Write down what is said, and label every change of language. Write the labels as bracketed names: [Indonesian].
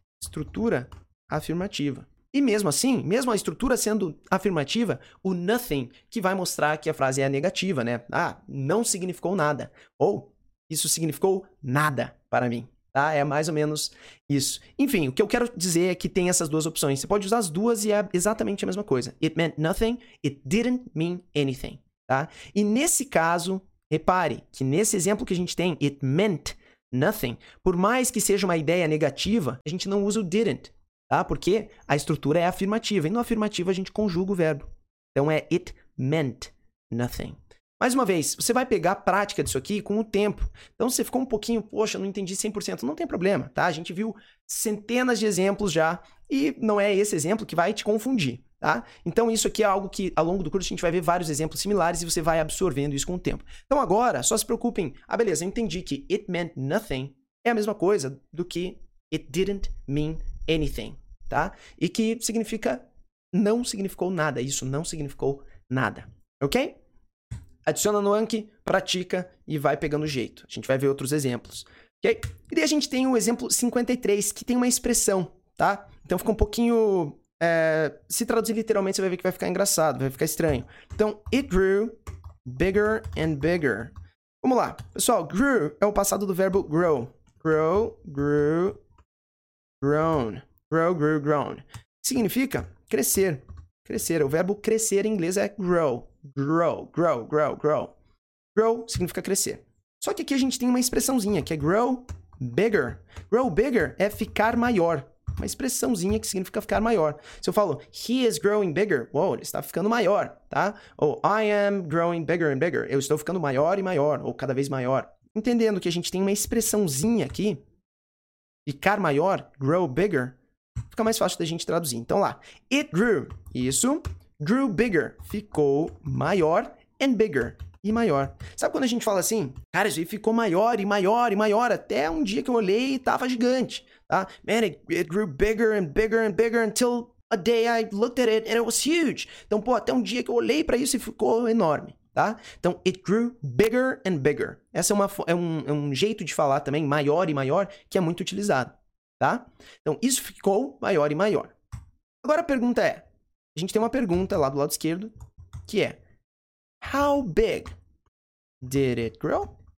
[Portuguese] Estrutura afirmativa. E mesmo assim, mesmo a estrutura sendo afirmativa, o nothing que vai mostrar que a frase é negativa, né? Ah, não significou nada. Ou, isso significou nada para mim. Tá? É mais ou menos isso. Enfim, o que eu quero dizer é que tem essas duas opções. Você pode usar as duas e é exatamente a mesma coisa. [English] It meant nothing, it didn't mean anything. [Portuguese] Tá? E nesse caso, repare que nesse exemplo que a gente tem, [English] it meant nothing, [Portuguese] por mais que seja uma ideia negativa, a gente não usa o didn't. Tá? Porque a estrutura é afirmativa. E no afirmativo a gente conjuga o verbo. Então é [English] it meant nothing. [Portuguese] Mais uma vez, você vai pegar a prática disso aqui com o tempo. Então, você ficou um pouquinho, poxa, não entendi 100%. Não tem problema, tá? A gente viu centenas de exemplos já e não é esse exemplo que vai te confundir, tá? Então, isso aqui é algo que, ao longo do curso, a gente vai ver vários exemplos similares e você vai absorvendo isso com o tempo. Então, agora, só se preocupem. Ah, beleza, eu entendi que [English] it meant nothing [Portuguese] é a mesma coisa do que [English] it didn't mean anything, [Portuguese] tá? E que significa não significou nada. Isso não significou nada, ok? Adiciona no Anki, pratica e vai pegando o jeito. A gente vai ver outros exemplos. Okay? E daí a gente tem o exemplo 53, que tem uma expressão tá? Então fica um pouquinho... se traduzir literalmente, você vai ver que vai ficar engraçado, vai ficar estranho. [English] Então, it grew bigger and bigger. [Portuguese] Vamos lá. Pessoal, grew é o passado do verbo grow. [English] Grow, grew, grown. Grow, grew, grown. [Portuguese] Significa crescer. Crescer. O verbo crescer em inglês é grow. Grow, grow, grow, grow. Grow significa crescer. Só que aqui a gente tem uma expressãozinha, que é grow bigger. Grow bigger é ficar maior. Uma expressãozinha que significa ficar maior. Se eu falo, [English] he is growing bigger, [Portuguese] uou, ele está ficando maior, tá? Ou, [English] I am growing bigger and bigger, [Portuguese] eu estou ficando maior e maior, ou cada vez maior. Entendendo que a gente tem uma expressãozinha aqui, ficar maior, grow bigger, fica mais fácil da gente traduzir. Então lá, it grew, isso, grew bigger, ficou maior, and bigger, e maior. Sabe quando a gente fala assim, cara, isso aí ficou maior e maior e maior, até um dia que eu olhei e tava gigante. [English] Man, it grew bigger and bigger and bigger until a day I looked at it and it was huge. [Portuguese] Então, pô, até um dia que eu olhei pra isso e ficou enorme, tá? [English] Então, it grew bigger and bigger. [Portuguese] Essa é, um jeito de falar também, maior e maior, que é muito utilizado, tá? Então, isso ficou maior e maior. Agora a pergunta é, a gente tem uma pergunta lá do lado esquerdo, que é, [English] how big did it grow?